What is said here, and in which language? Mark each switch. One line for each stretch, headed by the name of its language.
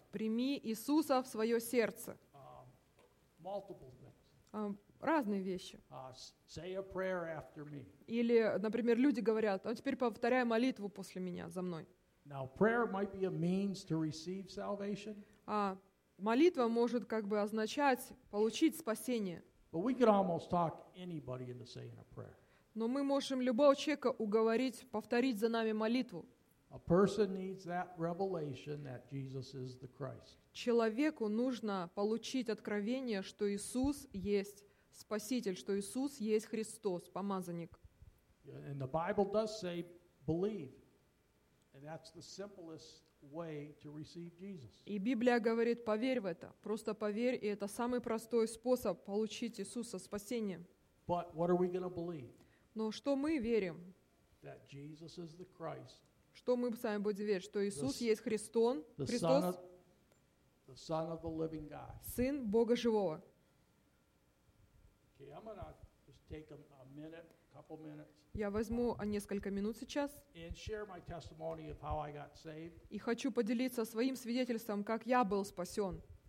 Russian: Прими Иисуса в свое сердце.
English: Multiple things.
Russian: Разные вещи.
English: Say a prayer after me.
Russian: Или, например, люди говорят: «А теперь повторяй молитву после меня за мной».
English: Now prayer might be a means to receive salvation.
Russian: Молитва может как бы означать получить спасение.
English: But we could almost talk anybody into saying a prayer.
Russian: Но мы можем любого человека уговорить повторить за нами молитву.
English: A person needs that revelation that Jesus is the Christ.
Russian: Человеку нужно получить откровение, что Иисус есть Спаситель, что Иисус есть Христос, помазанник.
English: And the Bible does say believe. And that's the simplest way to receive Jesus.
Russian: И Библия говорит: поверь в это. Просто поверь, и это самый простой способ получить Иисуса спасение.
English: But what are we going to believe?
Russian: Но что мы верим?
English: That Jesus is the Christ.
Russian: Что мы с вами будем верить, что Иисус есть Христос,
English: the Son of the Living God.
Russian: Сын Бога живого.
English: Okay, I'm going to just take a minute.
Russian: Я возьму несколько минут сейчас и хочу поделиться своим свидетельством, как я был спасен.